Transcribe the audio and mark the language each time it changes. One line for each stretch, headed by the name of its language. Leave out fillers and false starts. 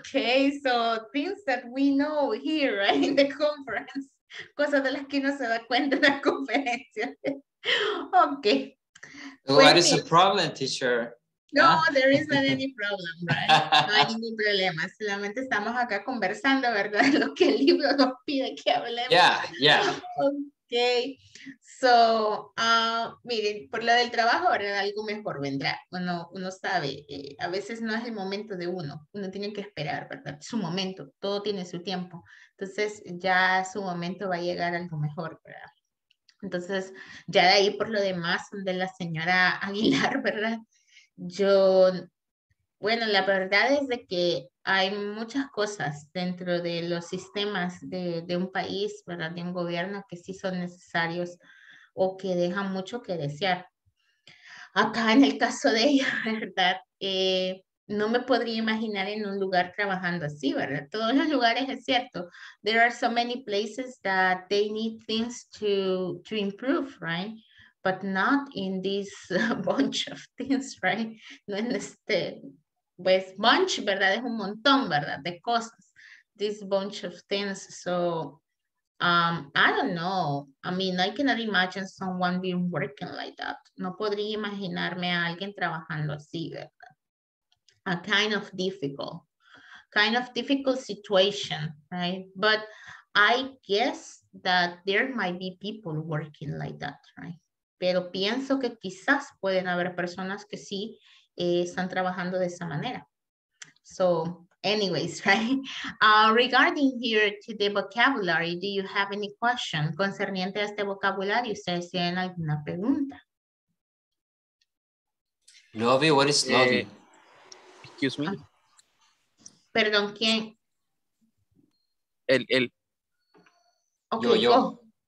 English: Okay, so things that we know here, right, in the conference.
Spanish: Cosas de las que no se da cuenta en la conferencia. Okay.
English: What is the problem, teacher? No, there is not any problem, right?
Spanish: No hay ningún problema. Solamente estamos acá conversando, ¿verdad? Lo que el libro nos pide que hablemos.
English: Yeah, yeah.
Spanish: Okay. So, miren, por lo del trabajo, ¿verdad? Algo mejor vendrá. Uno sabe, a veces no es el momento de uno. Uno tiene que esperar, ¿verdad? Su momento. Todo tiene su tiempo. Entonces, ya su momento va a llegar algo mejor, ¿verdad? Entonces, ya de ahí por lo demás, de la señora Aguilar, ¿verdad? Yo, bueno, la verdad es de que hay muchas cosas dentro de los sistemas de un país, ¿verdad? De un gobierno que sí son necesarios o que dejan mucho que desear. Acá en el caso de ella, ¿verdad? No me podría imaginar en un lugar trabajando así, ¿verdad? Todos los lugares, es cierto.
English: There are so many places that they need things to improve, right? But not in this bunch of things, right?
Spanish: No en este, pues, bunch, ¿verdad? Es un montón, ¿verdad? De cosas.
English: This bunch of things. So, I don't know. I mean, I cannot imagine someone being working like that.
Spanish: No podría imaginarme a alguien trabajando así, ¿verdad?
English: A kind of difficult situation, right? But I guess that there might be people working like that, right?
Spanish: Pero pienso que quizás pueden haber personas que sí están trabajando de esa manera.
English: So, anyways, right? Regarding here to the vocabulary, do you have any question?
Spanish: Concerniente a este vocabulario, ¿ustedes tienen alguna pregunta?
English: Lobby, what is lobby? Excuse me.
Spanish: Perdón, ¿quién? El. Okay, yo.